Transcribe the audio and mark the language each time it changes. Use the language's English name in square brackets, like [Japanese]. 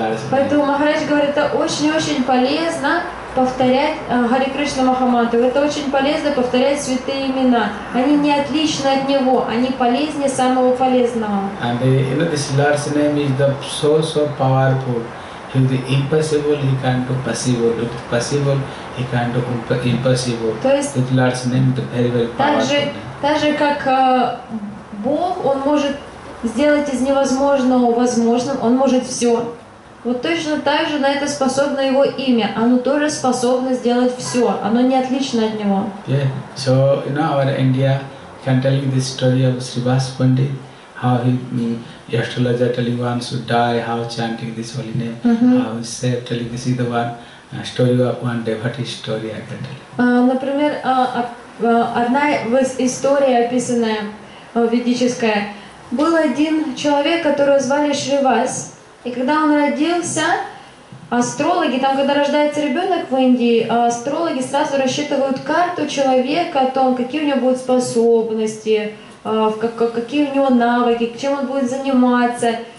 [Russian] поэтому Махарадж говорит, это очень-очень полезно, повторять Хари Кришна Махамантру. Это очень полезно повторять святые имена. Они не отличны от него, они полезнее самого полезного. [English] And you know this Lord's name is the so powerful. If the impossible he can do possible. If possible he can do impossible. [Russian] То есть [English] this Lord's name is the very powerful. [Russian] Так же как Бог, он может сделать из невозможного возможным. Он может все. Вот точно так же на это способно его имя. Оно тоже способно сделать все. Оно не отлично от него. [English] Yeah. So, you know, our India can tell you this story of Srivas Pandit. How he, astrologer telling one should die, how chanting this holy name, how he saved, telling this is the one story of one devotee story I can tell. [Russian] Например, одна история, описанная ведическая. Был один человек, которого звали Шривас. И когда он родился, астрологи, там, когда рождается ребенок в Индии, астрологи сразу рассчитывают карту человека о том, какие у него будут способности, какие у него навыки, чем он будет заниматься.